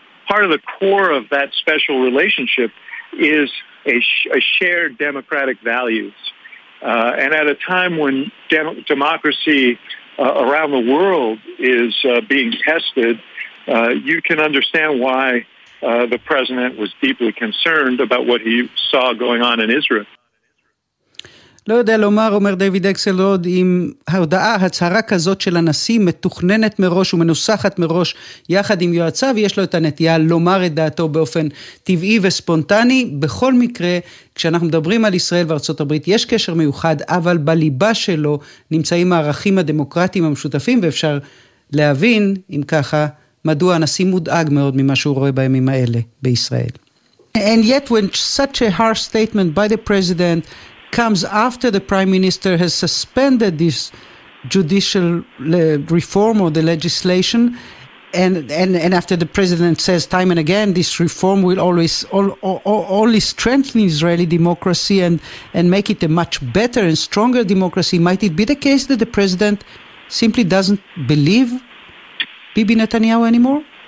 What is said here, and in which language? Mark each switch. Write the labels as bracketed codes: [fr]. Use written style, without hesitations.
[en] Part of the core of that special relationship is a shared democratic values. And at a time when democracy around the world is being tested, you can understand why the president was deeply concerned about what he saw going on in Israel. [he] לא יודע לומר, אומר דיוויד אקסלרוד, אם ההודעה, הצהרה כזאת של הנשיא, מתוכננת מראש ומנוסחת מראש יחד עם יועציו, יש לו את הנטייה לומר את דעתו באופן טבעי וספונטני. בכל מקרה, כשאנחנו מדברים על ישראל וארצות הברית, יש קשר מיוחד, אבל בליבה שלו נמצאים הערכים הדמוקרטיים המשותפים, ואפשר להבין, אם ככה, מדוע הנשיא מודאג מאוד ממה שהוא רואה בימים האלה בישראל. [en] And yet when such a harsh statement by the president comes after the prime minister has suspended this judicial reform or the legislation, and after the president says time and again this reform will always only strengthen Israeli democracy and make it a much better and stronger democracy, might it be the case that the president simply doesn't believe Bibi Netanyahu anymore?